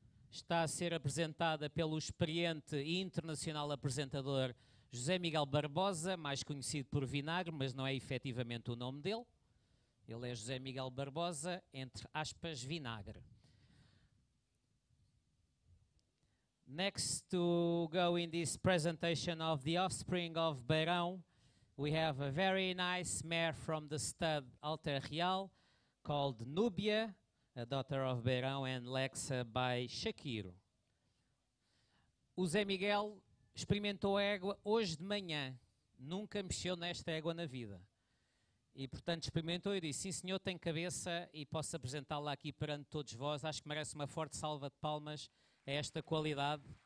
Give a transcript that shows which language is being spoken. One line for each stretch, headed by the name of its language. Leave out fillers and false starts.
Portuguese: está a ser apresentada pelo experiente e internacional apresentador José Miguel Barbosa, mais conhecido por Vinagre, mas não é efetivamente o nome dele. Ele é José Miguel Barbosa, entre aspas, Vinagre.
English: Next to go in this presentation of the offspring of Beirão, we have a very nice mare from the stud Alter Real called Nubia, a daughter of Beirão, and Lexa by Shakiro.
Portuguese: O Zé Miguel experimentou a égua hoje de manhã. Nunca mexeu nesta égua na vida. E, portanto, experimentou e disse, sim, senhor, tem cabeça e posso apresentá-la aqui perante todos vós. Acho que merece uma forte salva de palmas a esta qualidade.